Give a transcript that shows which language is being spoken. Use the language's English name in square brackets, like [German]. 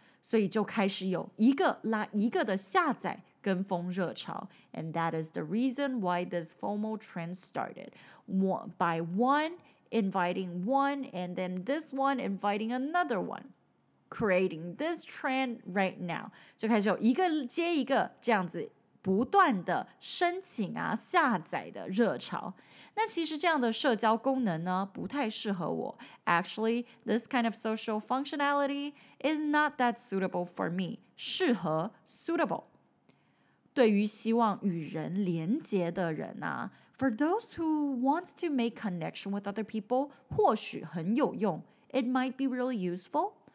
[Chinese] 所以就开始有一个拉一个的下载跟风热潮. [English] And that is the reason why this FOMO trend started. By one inviting one, and then this one inviting another one. Creating this trend right now. [Chinese] 就开始有一个接一个这样子, 不断的申请啊,下载的热潮. 那其实这样的社交功能呢, 不太适合我. [English] Actually, this kind of social functionality is not that suitable for me. 适合, suitable. [Chinese] 对于希望与人连接的人啊, [English] for those who wants to make connection with other people, [Chinese] 或许很有用, [English] it might be really useful.